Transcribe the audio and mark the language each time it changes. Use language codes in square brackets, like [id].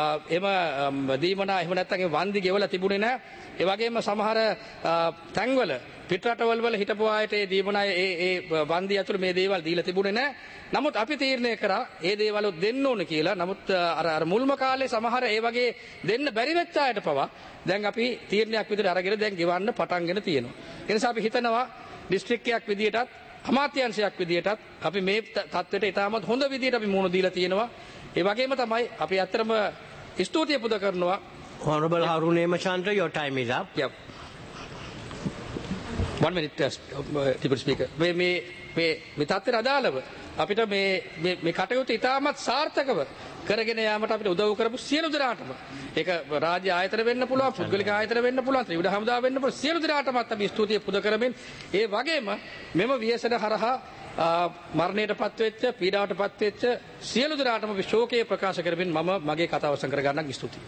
[si] එම දීමනා එහෙම නැත්නම් ඒ වන්දි ගෙවල තිබුණේ නැහැ ඒ වගේම සමහර තැන් වල පිටරටවල වල හිටපු ආයතනයේ දීමනා ඒ වන්දි ඇතුළු මේ දේවල් දීලා තිබුණේ නැහැ නමුත් අපි තීරණය කරා ඒ දේවල් දෙන්න ඕන කියලා නමුත් අර මුල්ම කාලේ සමහර ඒ වගේ දෙන්න බැරි වෙච්ච අයට පවා දැන් අපි තීරණයක් විදිහට අරගෙන දැන් ගෙවන්න පටන්ගෙන තියෙනවා ඒ නිසා අපි හිතනවා ඩිස්ත්‍රික්කයක් විදිහටත් අමාත්‍යංශයක් විදිහටත් අපි මේ තත්ත්වයට ඉතාමත් හොඳ විදිහට අපි මුහුණ දීලා තියෙනවා ඒ වගේම තමයි අපි ඇත්තටම ස්තුතිය පුද කරනවා [en] Honourable Haruna Hemachandra your time is up yep. One minute, Deputy Speaker. [si] මේ තත්ත්වයට අදාළව අපිට මේ කටයුතු ඉතාමත් සාර්ථකව කරගෙන යාමට අපිට උදව් කරපු සියලු දෙනාටම ඒක රාජ්‍ය ආයතන වෙන්න පුළුවන් පුද්ගලික ආයතන වෙන්න පුළුවන් ත්‍රිවිධ හමුදා වෙන්න පුළුවන් සියලු දෙනාටම අපි ස්තුතිය පුද කරමින් ඒ වගේම මෙම ව්‍යසන හරහා මරණයට පත් වෙච්ච පීඩාවට පත් වෙච්ච සියලු දෙනාටම අපි ශෝකය ප්‍රකාශ කරමින් මම මගේ කතාව සංකර ගන්නම් ස්තුතියි.